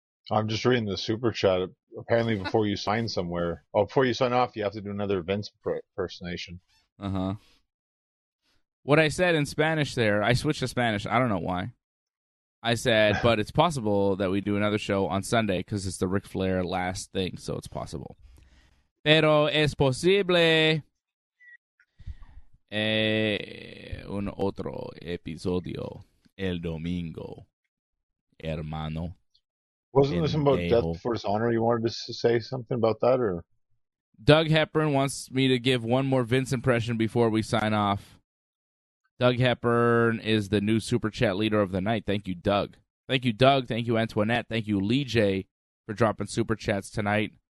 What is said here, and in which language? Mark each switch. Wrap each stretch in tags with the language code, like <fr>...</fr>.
<en>I'm just reading the super chat. Apparently, before you sign somewhere, oh, before you sign off, you have to do another Vince impersonation. Uh-huh. What I said in Spanish there, I switched to Spanish. I don't know why. I said, but it's possible that we do another show on Sunday because it's the Ric Flair last thing, so it's possible.</en> <es>Pero es posible un otro episodio el domingo, hermano.</es> <en>Wasn't there something about Death Before Dishonor? You wanted to say something about that? Or Doug Hepburn wants me to give one more Vince impression before we sign off. Doug Hepburn is the new Super Chat leader of the night. Thank you, Doug. Thank you, Doug. Thank you, Antoinette. Thank you, Lee J, for dropping Super Chats tonight.</en>